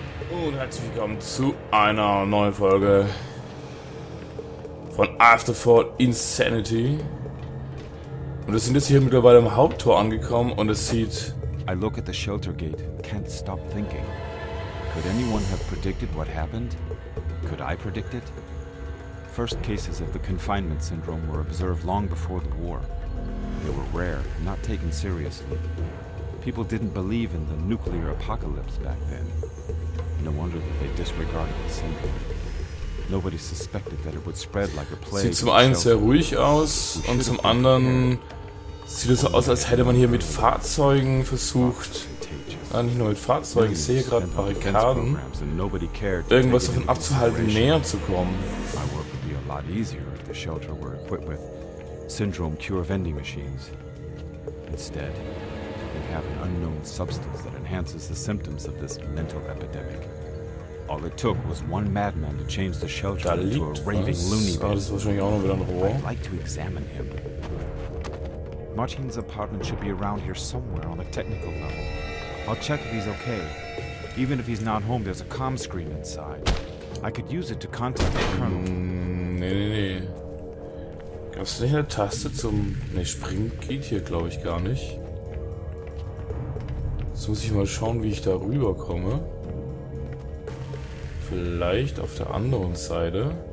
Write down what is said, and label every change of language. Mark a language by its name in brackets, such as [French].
[German] Und herzlich willkommen zu einer neuen Folge von After Fall Insanity. Und wir sind jetzt hier mittlerweile im Haupttor angekommen und es sieht. [English] I look at the shelter gate, can't stop thinking. Could anyone have predicted what happened? Could I predict it? First cases of the confinement syndrome were observed long before the war. They were rare, not taken seriously. People didn't believe in the nuclear apocalypse back then. No wonder that they disregarded the symptom. Nobody suspected that it would spread like a plague. [German] Sieht zum einen sehr ruhig aus und zum anderen sieht es so aus, als hätte man hier mit Fahrzeugen versucht. Nicht nur mit Fahrzeugen, ich sehe gerade Barrikaden. Irgendwas davon abzuhalten, näher zu kommen. [English] My work would be a lot easier if the shelter were equipped with syndrome cure vending machines. Instead, they have an unknown substance that enhances the symptoms of this mental epidemic. All it took was one madman to change the shelter into a raving loony bin. [German] Das ist wahrscheinlich auch noch wieder ein Rohr. [English] I'd like to examine him. Martin's apartment should be around here somewhere on a technical level. I'll check if he's okay. Even if he's not home, there's a comm screen inside. I could use it to contact the colonel. [German] Nee. Gab's nicht eine Taste zum... Nee, springen geht hier, glaube ich, gar nicht. Jetzt muss ich mal schauen, wie ich da rüberkomme. Vielleicht auf der anderen Seite.